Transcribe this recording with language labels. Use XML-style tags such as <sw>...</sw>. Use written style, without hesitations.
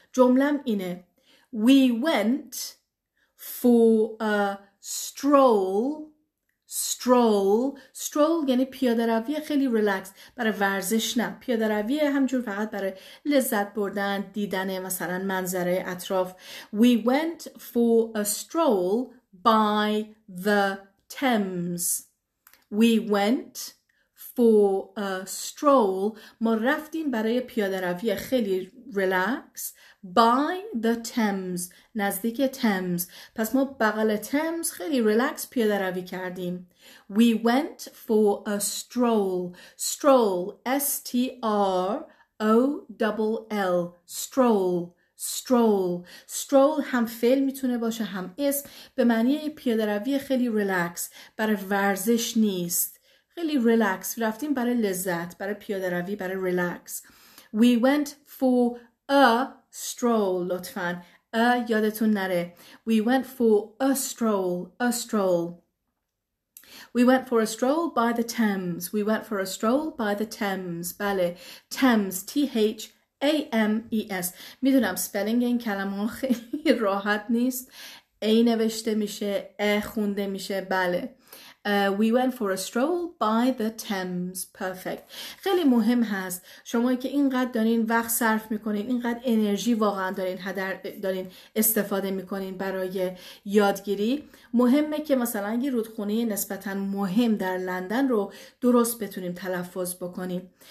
<fa>جمله‌م اینه:</fa> <en>We went for a stroll.</en> <fa>Stroll یعنی پیاده روی خیلی ریلکس، برای ورزش نه. پیاده روی همجور فقط برای لذت بردن، دیدن مثلا منظره اطراف.</fa> <en>We went for a stroll by the Thames. We went for a stroll.</en> <fa>ما رفتیم برای پیاده روی خیلی ریلکس</fa> <en>by the Thames،</en> <fa>نزدیک تمز. پس ما بغل تمز خیلی ریلکس پیاده روی کردیم.</fa> <en>We went for a stroll. Stroll, S-T-R-O-L-L. Stroll.</en> <fa>Stroll هم فعل میتونه باشه هم اسم. به معنی پیاده روی خیلی ریلکس، برای ورزش نیست. خیلی ریلکس رفتیم برای لذت، برای پیاده روی، برای ریلکس.</fa> <en>We went for a stroll.</en> <fa>لطفاً a یادتون نره.</fa> <en>We went for a stroll. A stroll. We went for a stroll by the Thames. We went for a stroll by the Thames.</en> <fa>بله.</fa> <en>Thames. T-H A-M-E-S.</en> <fa>میدونم سپلینگ این کلمه خیلی راحت نیست. A نوشته میشه، A خونده میشه، بله.</fa> <en>We went for a stroll by the Thames. Perfect.</en> <fa>خیلی مهم هست. شما که اینقدر دارین وقت صرف میکنین، اینقدر انرژی واقعا دارین، هدر دارین استفاده میکنین برای یادگیری، مهمه که مثلا یه رودخونه نسبتاً مهم در لندن رو درست بتونیم تلفظ بکنیم.</fa>